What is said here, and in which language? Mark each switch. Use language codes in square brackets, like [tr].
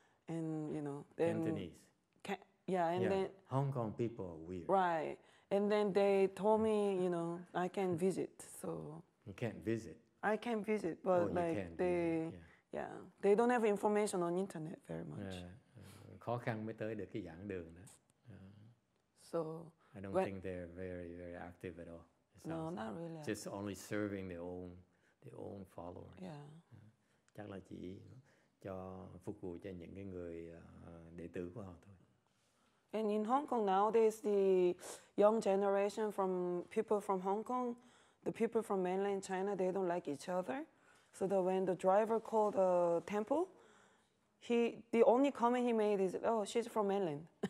[en] And, you know, then then Hong Kong people are weird. Right. And then they told me, you know, I can visit. So you can't visit. I can visit. But they don't have information on internet very much. [vi] Khó khăn mới tới được cái giảng đường đó. [en] So I don't think they're very, very active at all. No, not really. Just only serving their own followers. Yeah. [vi] Chắc là chỉ cho phục vụ cho những cái người đệ tử của họ thôi. [en] And in Hong Kong nowadays, the young generation from people from Hong Kong, the people from mainland China, they don't like each other. So that when the driver called the temple, the only comment he made is, "Oh, she's from mainland."